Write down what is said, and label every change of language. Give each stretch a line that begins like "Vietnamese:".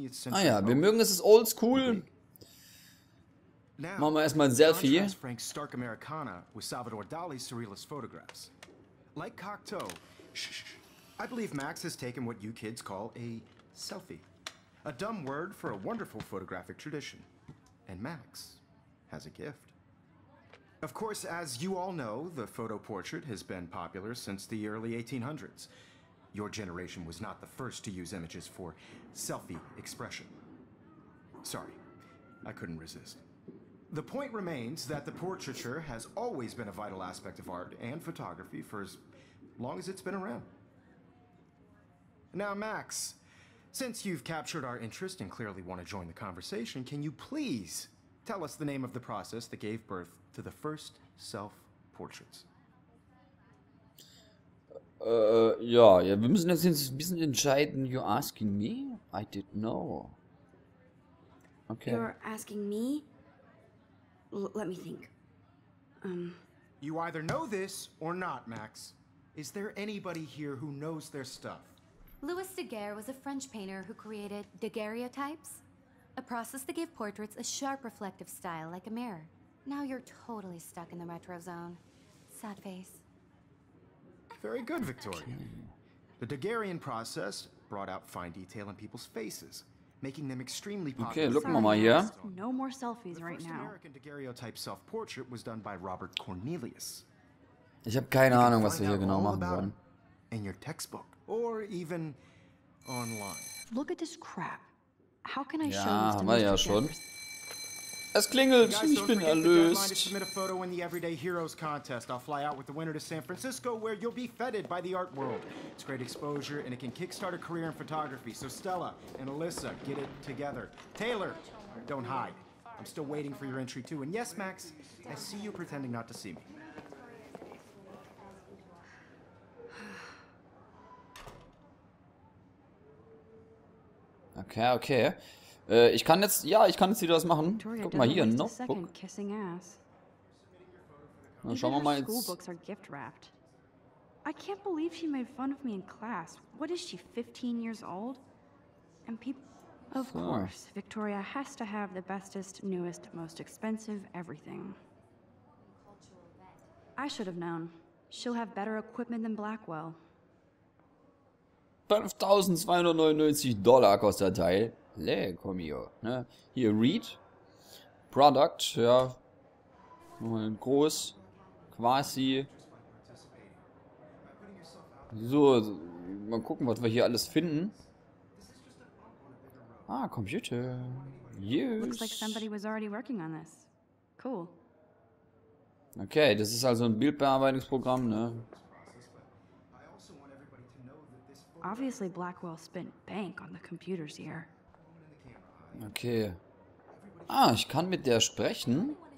German: Ah ja, wir mögen es old school. Machen wir erstmal ein Selfie.
English: Frank Stark Americana with Salvador Dali's surrealist photographs. Like Cocteau. I believe Max has taken what you kids call a selfie. A dumb word for a wonderful photographic tradition. And Max has a gift. Of course, as you all know, the photo portrait has been popular since the early 1800s. Your generation was not the first to use images for selfie expression. Sorry, I couldn't resist. The point remains that the portraiture has always been a vital aspect of art and photography for as long as it's been around. Now, Max, since you've captured our interest and clearly want to join the conversation, can you please tell us the name of the process that gave birth to the first self-portraits?
German: Ja, wir müssen jetzt ein bisschen entscheiden.
English: You're asking me? I didn't know. Okay. You're asking me? Let me think. You either know this or not, Max. Is there anybody here who knows their stuff? Louis Daguerre was a French painter who created daguerreotypes, a process that gave portraits a sharp reflective style like a mirror. Now you're totally stuck in the retro zone. Sad face. Very good, Victoria. The Daguerrean process brought out fine detail in people's faces, making them extremely popular. Okay, look, Mama, yeah. No more selfies right now. The first American daguerreotype self-portrait was done by Robert Cornelius.
German: Ich habe keine Ahnung, was wir hier genau machen wollen.
English: In your textbook or even online. Look at this crap. How can I
German: ja,
English: show this to
German: haben wir ja schon. Es klingelt, ich bin erlöst.
English: To submit a photo in the Everyday Heroes contest. I'll fly out with the winner to San Francisco, where you'll be feted by the art world. It's great exposure and it can kickstart a career in photography. So Stella and Alyssa, get it together. Taylor, don't hide. I'm still waiting for your entry too. And yes, Max, I see you pretending not to see me. Okay.
German: Ich kann jetzt, ja, ich kann jetzt wieder das machen. Guck mal hier, Notebook. Dann schauen wir mal jetzt.
English: I can't believe she made fun of me in class. What is she, 15 years old? And people... Of course, Victoria has to have the bestest, newest, most expensive everything. I should have known. She'll have better equipment than Blackwell.
German: $5,299 kostet der Teil. Leh, komm hier. Ne? Hier, Reed. Product, ja. Mal groß. Quasi. So, mal gucken, was wir hier alles finden. Ah, Computer.
English: Yes. Looks like somebody was already working on this. Cool.
German: Okay, das ist also ein Bildbearbeitungsprogramm, ne?
English: Obviously Blackwell spent bank on the computers here. Okay.
German: Ah, ich kann mit der sprechen.